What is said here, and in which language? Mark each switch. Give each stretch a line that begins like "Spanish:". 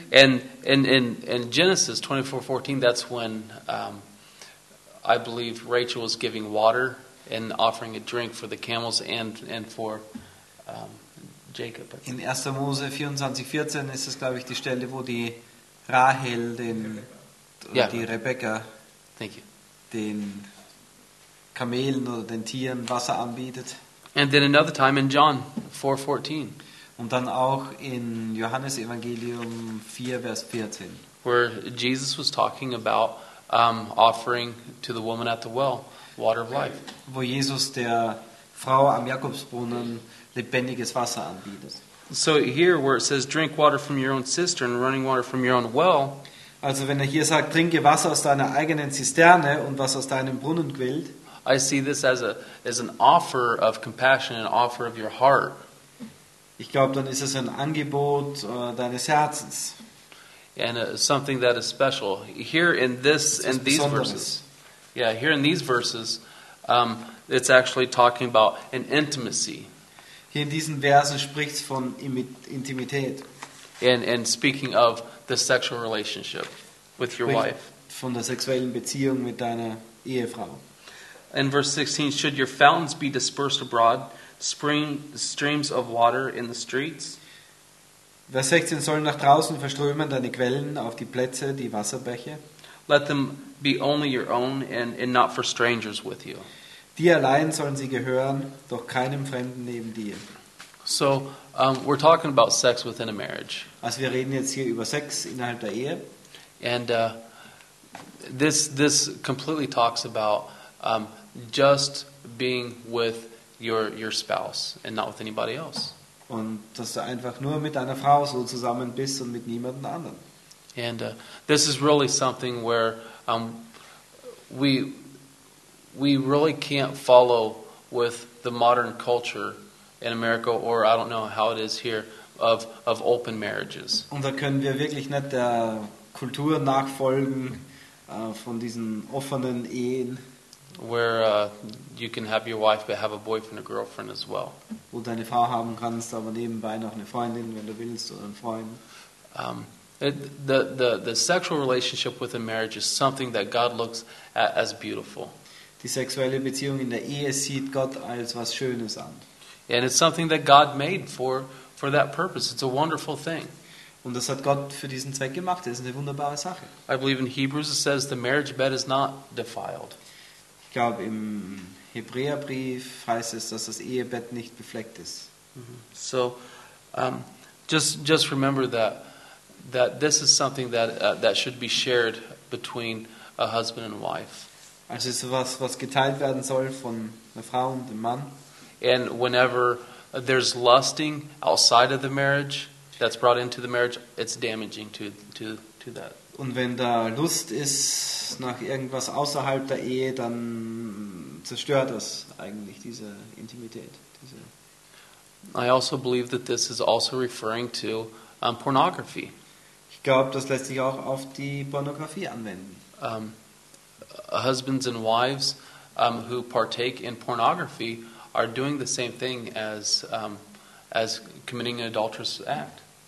English: And in Genesis 24:14, that's when I believe Rachel was giving water and offering a drink for the camels and for Jacob.
German: In 1. Mose 24:14 ist es, glaube ich, die Stelle, wo die Rahel Rebekka.
English: Thank you.
German: Den Kamelen oder den Tieren Wasser anbietet.
English: And then another time in John 4:14.
German: Und dann auch in Johannes Evangelium 4, Vers 14.
English: Where Jesus was talking about offering to the woman at the well water of life.
German: Wo Jesus der Frau am Jakobsbrunnen lebendiges Wasser anbietet.
English: So here where it says drink water from your own cistern and running water from your own well.
German: Also wenn er hier sagt, trinke Wasser aus deiner eigenen Zisterne und was aus deinem Brunnen quillt.
English: I see this as an offer of compassion, an offer of your heart.
German: Ich glaube, dann ist es ein Angebot deines Herzens.
English: And something that is special. Here in this, in these
German: Besonderes.
English: Verses. Yeah, here in these verses, it's actually talking about an intimacy.
German: Hier in diesen Versen spricht es von Intimität.
English: And speaking of the sexual relationship with your wife.
German: Von der sexuellen Beziehung mit deiner Ehefrau.
English: In verse 16, should your fountains be dispersed abroad, streams of water in the streets?
German: Vers 16, sollen nach draußen verströmen deine Quellen auf die Plätze, die Wasserbäche?
English: Let them be only your own and not for strangers with you.
German: Dir allein sollen sie gehören, doch keinem Fremden neben dir.
English: So, we're talking about sex within a marriage.
German: Also wir reden jetzt hier über Sex innerhalb der Ehe.
English: And this completely talks about just being with your spouse and not with anybody else.
German: Und dass du einfach nur mit deiner Frau so zusammen bist und mit niemandem anderen.
English: And this is really something where we really can't follow with the modern culture in America, or I don't know how it is here, of open marriages.
German: Und da können wir wirklich nicht der Kultur nachfolgen von diesen offenen Ehen.
English: Where you can have your wife but have a boyfriend or girlfriend as well.
German: Wo deine Frau haben kannst, aber nebenbei noch eine Freundin, wenn du willst, oder einen Freund.
English: The sexual relationship with a marriage is something that God looks at as beautiful.
German: Die sexuelle Beziehung in der Ehe sieht Gott als was Schönes an.
English: And it's something that God made for that purpose. It's a wonderful thing.
German: Und das hat Gott für diesen Zweck gemacht. Das ist eine wunderbare Sache.
English: I believe in Hebrews it says the marriage bed is not defiled.
German: Ich glaube im Hebräerbrief heißt es, dass das Ehebett nicht befleckt ist. Mm-hmm.
English: So, just remember that this is something that should be shared between a husband and wife.
German: Also ist was geteilt werden soll von einer Frau und dem Mann.
English: And whenever there's lusting outside of the marriage, that's brought into the marriage, it's damaging to that.
German: Und wenn da Lust ist nach irgendwas außerhalb der Ehe, dann zerstört das eigentlich diese Intimität. Diese
English: I also believe that this is also referring to pornography.
German: Ich glaube, das lässt sich auch auf die Pornografie anwenden.
English: Husbands and wives who partake in pornography are doing the same thing as committing an adulterous act.